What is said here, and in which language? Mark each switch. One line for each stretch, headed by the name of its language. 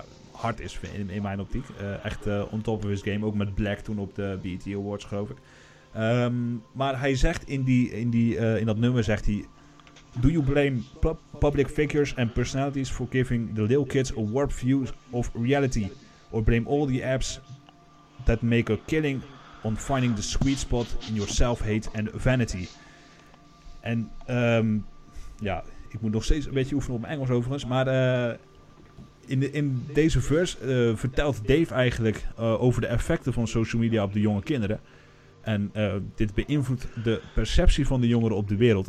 Dutch: hard is in mijn optiek. Echt
English: on top of his game.
Dutch: Ook met Black toen op de BET Awards, geloof ik. Maar hij zegt in dat nummer, zegt hij...
English: Do you blame public figures and personalities for giving the little kids a warped view of reality? Or blame all the apps that make a killing on finding the sweet spot in your self-hate and vanity?
Dutch: En ja, ik moet nog steeds een beetje oefenen op mijn Engels overigens, maar... In deze verse vertelt Dave eigenlijk over de effecten van social media op de jonge kinderen. En dit beïnvloedt de perceptie van de jongeren op de wereld.